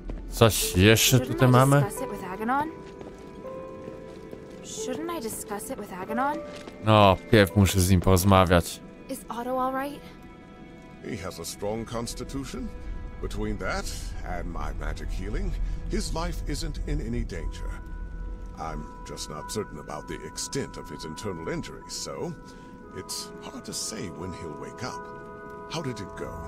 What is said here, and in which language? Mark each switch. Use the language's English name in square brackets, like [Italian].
[Polish] Coś jeszcze tutaj mamy? [English] Shouldn't I discuss it with Agenon? [Polish] No, pierw muszę z nim porozmawiać. [English] Is Otto all right? He has a strong constitution. Between that and my magic healing, his life isn't in any danger. I'm just not certain about the extent of his internal injuries, so it's hard to say when he'll wake up. How did it go?